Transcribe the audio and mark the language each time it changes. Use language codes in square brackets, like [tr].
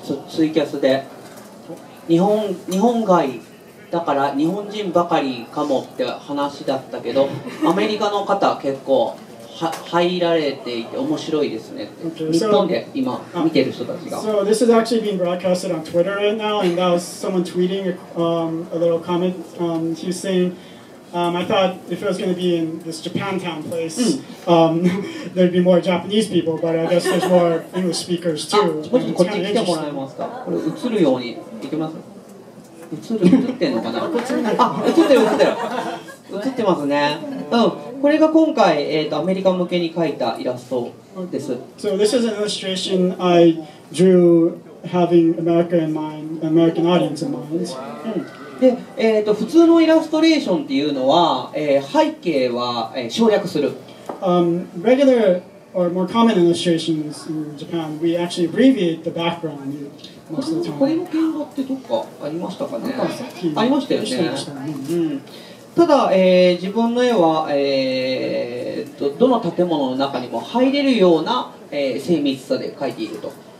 [ja] ツイキャスで日本外だから日本人ばかりかもって話だったけど、アメリカの方結構。入られていて面白いですね。 [en] Okay, so, [ja] 日本で今見てる人たちが。 [en] So this is actually being broadcasted on Twitter right now, and that was someone tweeting a little comment. He was saying, I thought if it was going to be in this Japantown place, there'd be more Japanese people, but I guess there's more English speakers too. [ja] ちょっとこっち来てもらえますか？これ映るように行きます？映ってんのかな？映ってる映ってる。映ってますね。うん、これが今回、アメリカ向けに描いたイラストです。 [en] So this is an illustration I drew having America in mind, American audience in mind.、うん、 [ja] で、普通のイラストレーションっていうのは、背景は、省略する。 [en] Regular or more common illustrations in Japan, we actually abbreviate the background most of the time. [ja] これの言語ってどっかありましたかね？ありましたよね。ただ、自分の絵は、どの建物の中にも入れるような、精密さで描いていると。